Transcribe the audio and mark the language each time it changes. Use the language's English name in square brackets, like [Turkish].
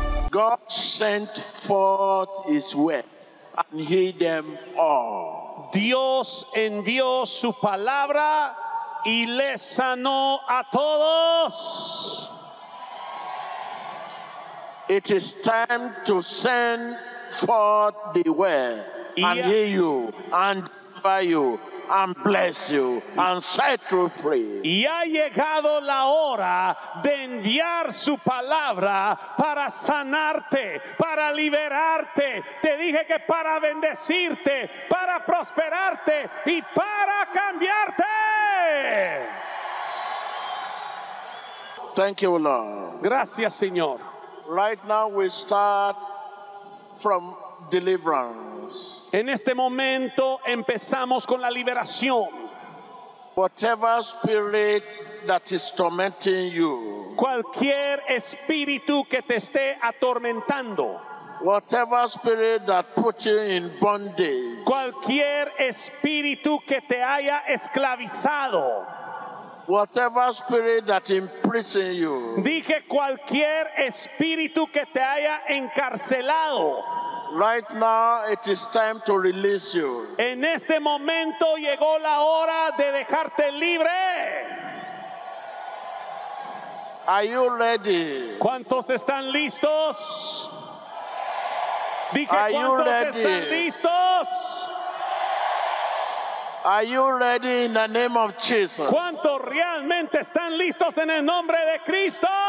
[English] God sent forth his word and healed them all. [Spanish] Dios envió su palabra y les sanó a todos. [English] It is time to send forth the word and heal you and deliver you and bless you and set you free. [Spanish] Y ha llegado la hora de enviar su palabra para sanarte, para liberarte. Te dije que para bendecirte, para prosperarte y para cambiarte. [English] Thank you, Lord. [Spanish] Gracias, Señor. [English] Right now we start from deliverance. [Spanish] En este momento empezamos con la liberación. [English] Whatever spirit that is tormenting you. [Spanish] Cualquier espíritu que te esté atormentando. [English] Whatever spirit that put you in bondage. [Spanish] Cualquier espíritu que te haya esclavizado. [English] Whatever spirit that imprison you. [Spanish] Dije cualquier espíritu que te haya encarcelado. [English] Right now it is time to release you. [Spanish] En este momento llegó la hora de dejarte libre. [English] Are you ready? [Spanish] ¿Cuántos están listos? Dije, [English] are you ready? [Spanish] ¿Cuántos están listos? [English] Are you ready in the name of Jesus? [Spanish] ¿Cuántos realmente están listos en el nombre de Cristo?